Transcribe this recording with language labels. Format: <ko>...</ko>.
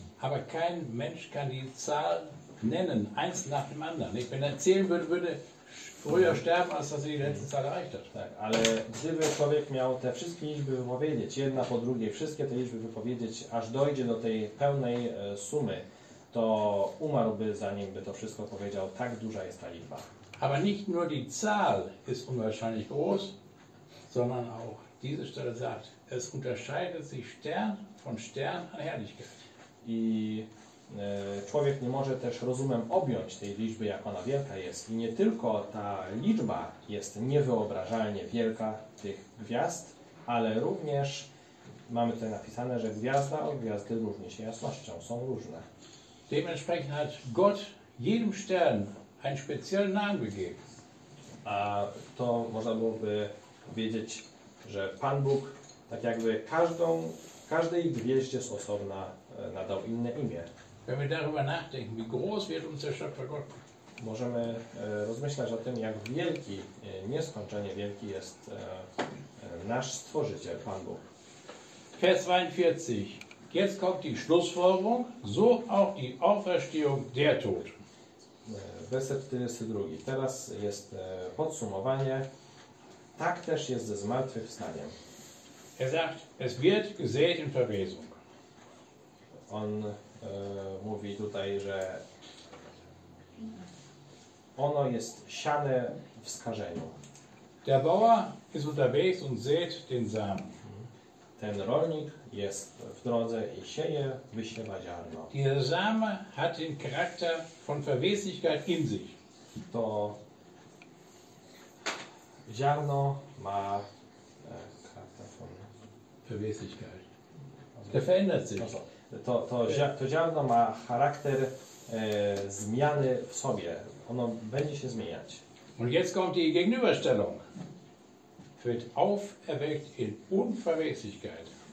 <de>Aber kein Mensch kann die Zahl nennen, eins nach dem anderen. Ich bin erzählen würde, würde früher sterben, als dass er die letzte Zahl erreicht hat.</de> <pl>Tak, ale gdyby człowiek miał te wszystkie liczby wypowiedzieć, jedna po drugiej, wszystkie te liczby wypowiedzieć, aż dojdzie do tej pełnej sumy, to umarłby, zanim by to wszystko powiedział, tak duża jest ta liczba.</pl> <de>Aber nicht nur die Zahl ist unwahrscheinlich groß, sondern auch diese Stelle sagt, es unterscheidet sich Stern von Stern an Herrlichkeit.</de> <pl>I człowiek nie może też rozumem objąć tej liczby, jak ona wielka jest. I nie tylko ta liczba jest niewyobrażalnie wielka tych gwiazd, ale również mamy tutaj napisane, że gwiazda od gwiazdy różni się jasnością, są różne.</pl> <de>Dementsprechend hat Gott jedem Stern einen speziellen Namen gegeben.</de> <pl>A to można byłoby powiedzieć, że Pan Bóg tak jakby każdej gwieździe z osobna nadał inne imię.</pl> <de>Wenn wir darüber nachdenken, wie groß wird unser Schöpfer Gott.</de> <pl>Możemy rozmyślać o tym, jak wielki, nieskończenie wielki jest nasz Stworzyciel, Pan Bóg.</pl> <de>Vers 42. Jetzt kommt die Schlussfolgerung, so auch die Auferstehung der Tod.</de> <pl>Werset 42. Teraz jest podsumowanie. Tak też jest ze zmartwychwstaniem.</pl> <de>Er sagt, es wird gesät in Verwesung.</de> <pl>On mówi tutaj, że ono jest siane w skażeniu.</pl> <de>Der Bauer ist unterwegs und sät den Samen.</de> <pl>Ten rolnik jest w drodze i sieje, wysiewa ziarno.</pl> <de>Der Same hat den Charakter von Verweslichkeit in sich.</de> <pl>To ziarno ma charakter</pl> <de>von Verweslichkeit. Also, der verändert sich.</de> <pl>To ziarno ma charakter zmiany w sobie. Ono będzie się zmieniać.</pl> <de>Und jetzt kommt die Gegenüberstellung. Wird auferweckt in Unverweslichkeit.</de>